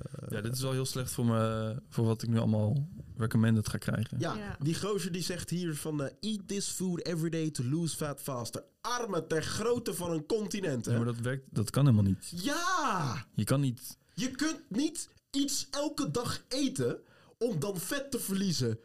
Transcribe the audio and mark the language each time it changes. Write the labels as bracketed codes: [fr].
[nl] Ja, dit is wel heel slecht voor wat ik nu allemaal recommended ga krijgen. Ja, die gozer die zegt hier van... [en] eat this food every day to lose fat faster. [nl] Armen ter grootte van een continent. Ja, maar dat werkt, dat kan helemaal niet. Ja! Je kan niet... Je kunt niet iets elke dag eten om dan vet te verliezen.